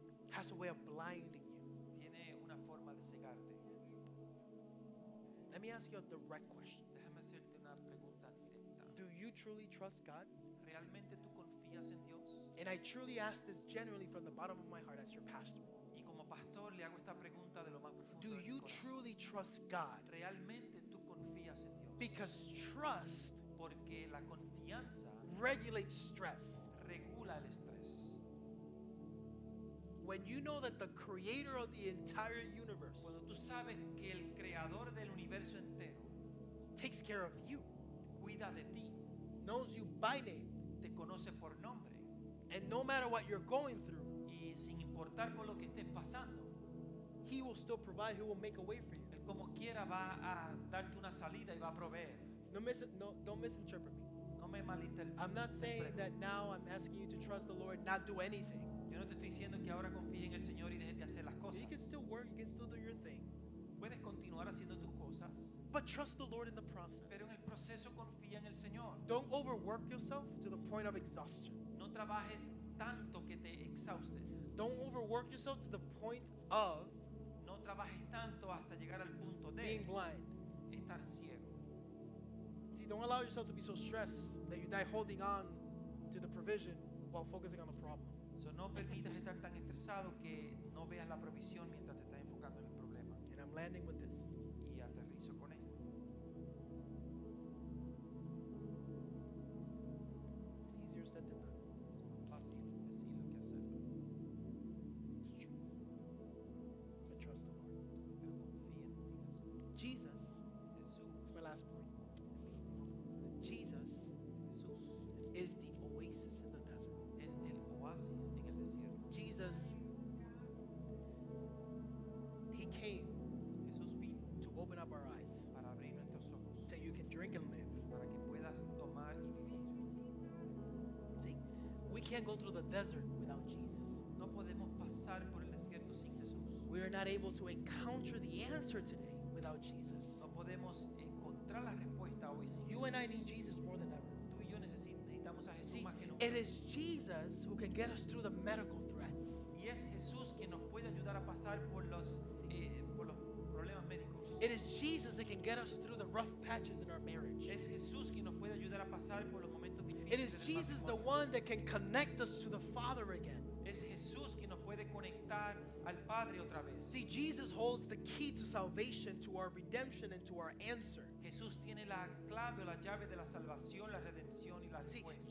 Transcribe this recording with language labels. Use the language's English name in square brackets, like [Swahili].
[English] has a way of blinding you. [Spanish] Tiene una forma de cegarte. [English] Let me ask you a direct question. [Spanish] Déjame hacerte una pregunta directa. [English] Do you truly trust God? [Spanish] ¿Realmente tú confías en Dios? [English] And I truly ask this generally from the bottom of my heart as your pastor. [Spanish] Y como pastor le hago esta pregunta de lo más profundo de mi [English] corazón. Do you truly trust God? [Spanish] ¿Realmente tú confías en Dios? [English] Because trust, [Spanish] porque la confianza, [English] regulates stress. [Spanish] Regula el estrés. [English] When you know that the creator of the entire universe, [Spanish] cuando tú sabes que el creador del universo entero, [English] takes care of you, [Spanish] cuida de ti, [English] knows you by name, [Spanish] te conoce por nombre, [English] and no matter what you're going through, [Spanish] y sin importar por lo que estés pasando, [English] he will still provide, he will make a way for you. [Spanish] Él como quiera va a darte una salida y va a proveer. [English] Don't misinterpret me. [Spanish] No me malinterpretes. [English] I'm not saying that now I'm asking you to trust the Lord, not do anything. [Spanish] Yo no te estoy diciendo que ahora confíes en el Señor y dejes de hacer las cosas. [English] You can still work, you can still do your thing. [Spanish] Puedes continuar haciendo tus cosas. [English] But trust the Lord in the process. [Spanish] Pero en el proceso confía en el Señor. [English] Don't overwork yourself to the point of exhaustion. [Spanish] No trabajes tanto que te exhaustes. [English] Don't overwork yourself to the point of [Spanish] no trabajes tanto hasta llegar al punto de [English] being blind. [Spanish] Estar ciego. [English] See, don't allow yourself to be so stressed that you die holding on to the provision while focusing on the problem. [Spanish] So no permitas estar tan estresado que no veas la provisión mientras te estás enfocando en el problema. [English] And I'm landing with this. [Spanish] Y aterrizo con esto. [English] It's easier said than done. [Spanish] Es más fácil decirlo que hacerlo. [English] It's true. I trust the Lord. [Spanish] Pero confía en Dios. [English] Jesus. [Spanish] Jesús. [English] It's my last point. Jesus. [Spanish] Jesús. [English] Is the oasis in the desert. [Spanish] Es el oasis en el desierto. [English] Jesus, he came, [Spanish] Jesús vino, [English] to open up our eyes, [Spanish] para abrir nuestros ojos, [English] so you can drink and live, [Spanish] para que puedas tomar y vivir. [English] See, we can't go through the desert without Jesus. [Spanish] No podemos pasar por el desierto sin Jesús. [English] We are not able to encounter the answer today without Jesus. [Spanish] No podemos encontrar la respuesta hoy sin [English] you [Spanish] Jesús. [English] And I need Jesus more than ever. [Spanish] Tú y yo necesitamos a Jesús. [English] See, [Spanish] más que nunca. [English] It is Jesus who can get us through the medical threats. [Spanish] Y es Jesús quien nos puede ayudar a pasar por los problemas médicos. [English] It is Jesus that can get us through the rough patches in our marriage. [Spanish] Es Jesús quien nos puede ayudar a pasar por los momentos difíciles. [English] It is Jesus the one that can connect us to the Father again. [Spanish] Es Jesús quien nos puede conectar al Padre otra vez. [English] See, Jesus holds the key to salvation, to our redemption, and to our answer. [Spanish] Jesús tiene la clave o la llave de la salvación, la redención y la respuesta.